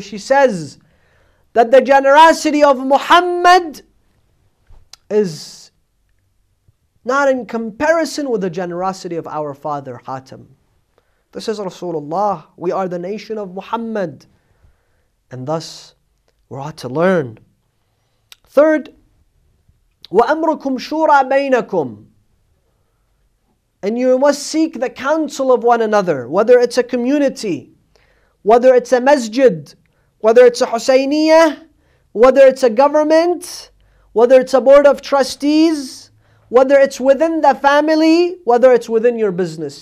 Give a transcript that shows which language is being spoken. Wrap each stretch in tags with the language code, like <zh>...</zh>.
<en>She says that the generosity of Muhammad is not in comparison with the generosity of our father, Hatim. This is Rasulullah. We are the nation of Muhammad. And thus, we're ought to learn. Third,</en> <ar>وَأَمْرُكُمْ شُورَى بَيْنَكُمْ.</ar> <en>And you must seek the counsel of one another, whether it's a community, whether it's a masjid, whether it's a Husayniyah, whether it's a government, whether it's a board of trustees, whether it's within the family, whether it's within your business.</en>